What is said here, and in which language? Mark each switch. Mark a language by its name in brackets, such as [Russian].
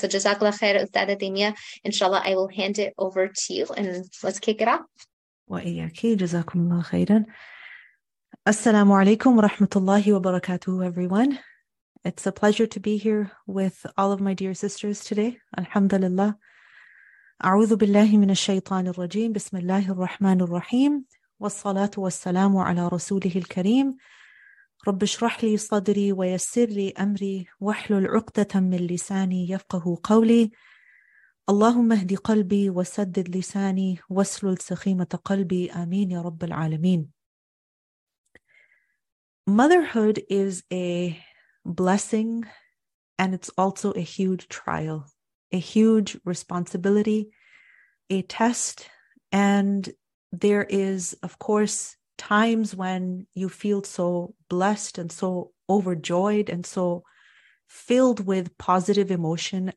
[English] So jazakallah khair, Ustada Thania. Inshallah, I will hand it over to you and let's kick it off. Wa iyaki, jazakumullah khairan. Assalamu alaikum wa rahmatullahi wa barakatuhu, everyone. It's a pleasure to be here with all of my dear sisters today. Alhamdulillah. [Arabic] أعوذ بالله من الشيطان الرجيم بسم الله الرحمن الرحيم والصلاة والسلام على رسوله الكريم رب اشرح لي صدري ويسر لي أمري واحلل عقدة من لساني يفقه قولي اللهم اهد قلبي وسدد لساني واسلل سخيمة قلبي آمين يا رب العالمين. [English] Motherhood is a blessing and it's also a huge trial, a huge responsibility, a test. And there is, of course, times when you feel so blessed and so overjoyed and so filled with positive emotion.